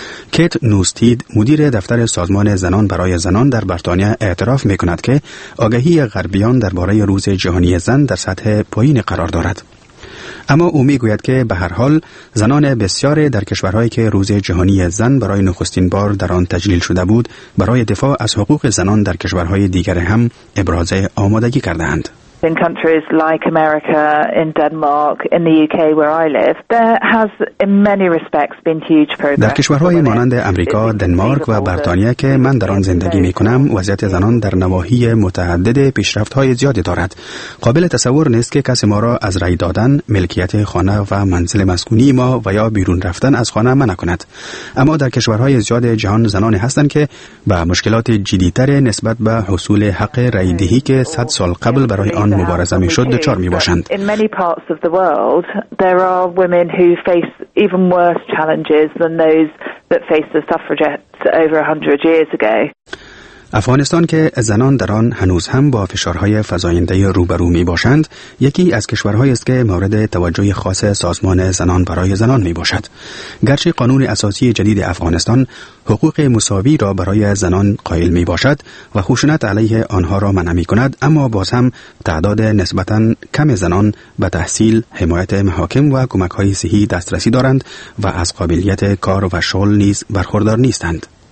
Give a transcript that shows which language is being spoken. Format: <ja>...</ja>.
<fa>کیت نوستید مدیر دفتر سازمان زنان برای زنان در بریتانیا اعتراف می کند که آگاهی غربیان درباره روز جهانی زن در سطح پایین قرار دارد، اما او می گوید که به هر حال زنان بسیاری در کشورهایی که روز جهانی زن برای نخستین بار در آن تجلیل شده بود برای دفاع از حقوق زنان در کشورهای دیگر هم ابراز آمادگی کرده اند.</fa> <en>In countries like America, in Denmark, in the UK where I live, there has in many respects been huge progress.</en> <fa>در کشورهای مانند آمریکا، دنمارک و بریتانیا که من در آن زندگی می کنم، وضعیت زنان در نواحی متعدد پیشرفت‌های زیادی دارد. قابل تصور نیست که کسی ما را از رأی دادن، ملکیت خانه و منزل مسکونی ما و یا بیرون رفتن از خانه منع کند. اما در کشورهای زیاد جهان زنان هستند که با مشکلات جدی‌تر نسبت به حصول حق رأی دهی که 100 سال قبل برای آن مبارزه می شد دچار می باشند.</fa> <en>In many parts of the world, there are women who face even worse challenges than those that faced the suffragettes over 100 years ago.</en> <fa>افغانستان که زنان در آن هنوز هم با فشارهای فزاینده روبرو می باشند، یکی از کشورهایی است که مورد توجه خاص سازمان زنان برای زنان می باشد. گرچه قانون اساسی جدید افغانستان حقوق مساوی را برای زنان قائل می باشد و خشونت علیه آنها را منع می کند، اما باز هم تعداد نسبتاً کم زنان به تحصیل، حمایت محاکم و کمک‌های صحی دسترسی دارند و از قابلیت کار و شغل نیز برخوردار نیستند.</fa>